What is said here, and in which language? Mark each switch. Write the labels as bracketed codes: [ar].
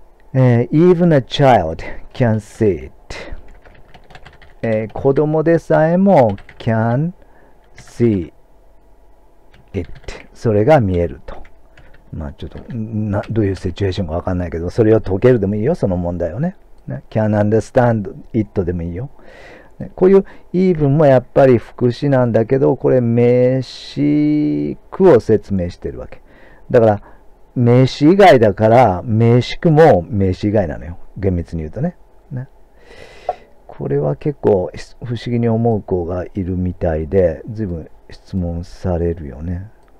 [en] Even a child can see it。 [ja] 子供でさえも [en] can see it。 [ja] それが見えると。まあちょっと、どういうシチュエーションかわかんないけど、それを解けるでもいいよ、その問題をね。 [en] Can understand it [ja] でもいいよ。こういう even もやっぱり副詞なんだけど、これ名詞句を説明してるわけ。だから、名詞以外だから、名詞句も名詞以外なのよ。厳密に言うとね。これは結構不思議に思う子がいるみたいで、随分質問されるよね。